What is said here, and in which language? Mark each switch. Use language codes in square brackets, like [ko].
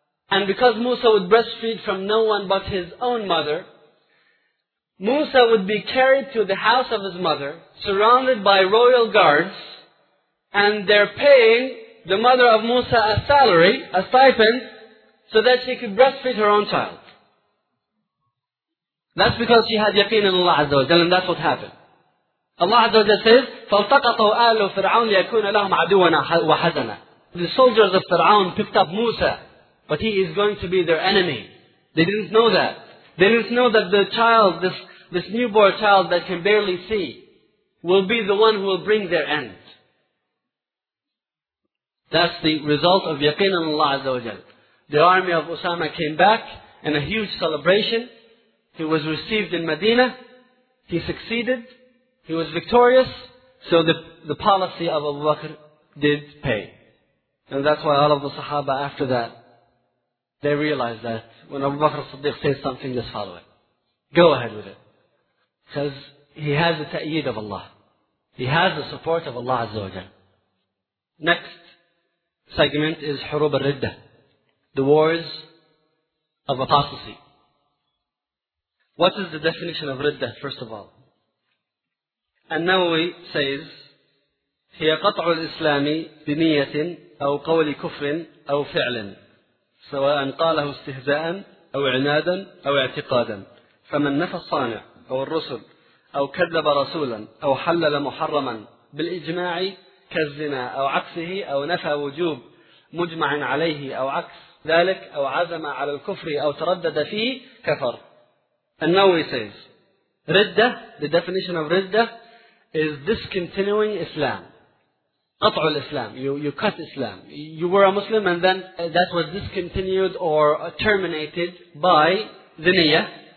[en] And because Musa would breastfeed from no one but his own mother, Musa would be carried to the house of his mother, surrounded by royal guards, and they're paying the mother of Musa a salary, a stipend, so that she could breastfeed her own child. That's because she had yaqeen in Allah Azza wa Jalla, and that's what happened. Allah Azza wa Jalla says, [ar] فَالْتَقَطَوْا آلُ فِرْعَوْنِ يَكُونَ لَهُمْ عَدُوَنَا وَحَزَنَا. [en] The soldiers of Fir'aun picked up Musa, but he is going to be their enemy. They didn't know that. They didn't know that the child, this newborn child that can barely see, will be the one who will bring their end. That's the result of yaqeen in Allah Azza wa Jalla. The army of Usama came back in a huge celebration. He was received in Medina. He succeeded. He was victorious. So the policy of Abu Bakr did pay. And that's why all of the Sahaba after that, they realized that when Abu Bakr as-Siddiq says something, just follow it. Go ahead with it. Because he has the ta'eed of Allah. He has the support of Allah Azza wa Jalla. Next segment is Hurub al-Riddah. The wars of apostasy. What is the definition of riddah, first of all? An-Nawawi says, [ar] هي قطع الإسلام بنية أو قول كفر أو فعل سواء قاله استهزاء أو عنادا أو اعتقادا فمن نفى الصانع أو الرسل أو كذب رسولا أو حلل محرما بالإجماع كالزنا أو عكسه أو نفى وجوب مجمع عليه أو عكس ذلك أو عزم على الكفر أو تردد فيه كفر. [en] And now he says, Riddah, the definition of Riddah is discontinuing Islam. [ar] قطع الإسلام, [en] you cut Islam. You were a Muslim and then that was discontinued or terminated by the niyyah.